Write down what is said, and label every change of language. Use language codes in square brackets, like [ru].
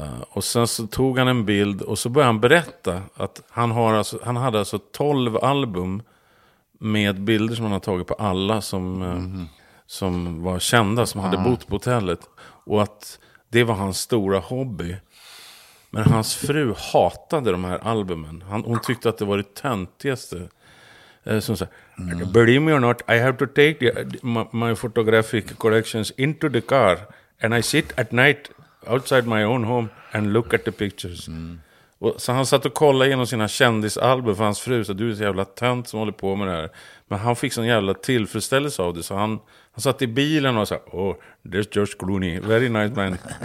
[sv] Och sen så tog han en bild och så började han berätta att han hade 12 album med bilder som han har tagit på alla som... som var kända, som hade bott på hotellet. Och att det var hans stora hobby. Men hans fru hatade de här albumen. Hon tyckte att det var det töntigaste. Som så här, [en] believe me or not, I have to take my photographic collections into the car. And I sit at night outside my own home and look at the pictures. [sv] Och så han satt och kollade igenom sina kändisalbum för hans fru. Så du är så jävla tönt som håller på med det här. Men han fick sån jävla tillfredsställelse av det. Så han satt i bilen och sa, [en] oh, there's George Clooney. Very nice man.